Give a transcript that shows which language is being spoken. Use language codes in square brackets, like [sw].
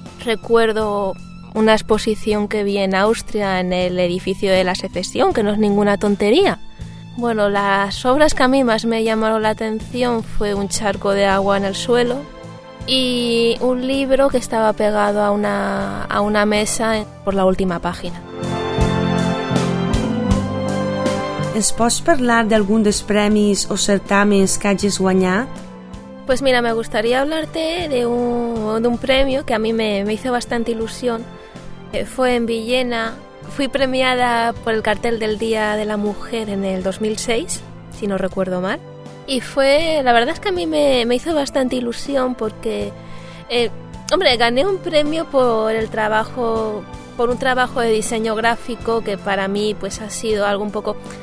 [es] Recuerdo una exposición que vi en Austria en el edificio de la Secesión, que no es ninguna tontería. Bueno, las obras que a mí más me llamaron la atención fue un charco de agua en el suelo y un libro que estaba pegado a una mesa por la última página. [ca] ¿Ens pots parlar d'algun dels premis o certàmens que hagis guanyat? [es] Pues mira, me gustaría hablarte de un premio que a mí me hizo bastante ilusión. Fue en Villena. Fui premiada por el cartel del Día de la Mujer en el 2006, si no recuerdo mal. Y fue, la verdad es que a mí me hizo bastante ilusión porque, hombre, gané un premio por el trabajo, por un trabajo de diseño gráfico que para mí pues ha sido algo un poco...